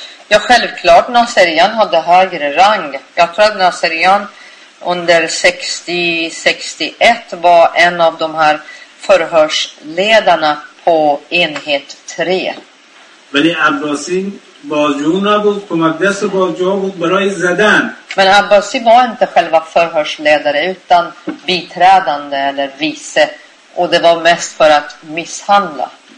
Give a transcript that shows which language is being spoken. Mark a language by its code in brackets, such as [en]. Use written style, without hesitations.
[sv] Ja, självklart Nasserian hade högre rang. Jag tror att Nasserian under 60-61 var en av de här förhörsledarna på enhet 3. Men Abbasi [fa] بازجون نبود، کمک دست بازجوها بود برای زدن. [sv] Men Abbasi var inte själva förhörsledare utan biträdande eller vice, och det var mest för att misshandla.